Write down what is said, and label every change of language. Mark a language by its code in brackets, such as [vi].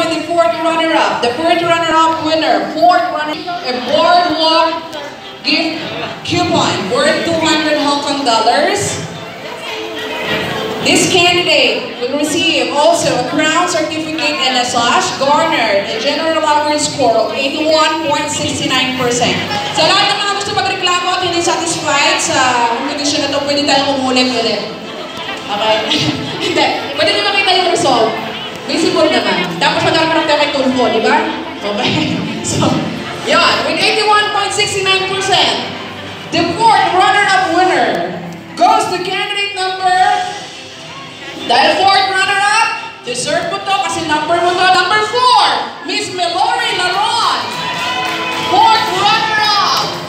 [en] Fourth runner-up, the first runner-up winner, a Boardwalk gift coupon worth $200 Hong Kong. This candidate will receive also a crown certificate and a sash garnered a general average score of 81.69%. [tl] So lahat ng mga gusto mag-reklamo at hindi satisfied sa condition na ito, pwede tayong umulit ulit. Okay? Hindi. Pwede nyo makita yung result. Visible naman. Tapos magkaroon ka ng teka tulpo, di ba? Okay. So, yun. [en] With 81.69%, the fourth runner-up winner goes to candidate number... [tl] Dahil fourth runner-up, deserve mo to kasi number mo to. [en] Number four, Miss Melory Laron. Fourth runner-up.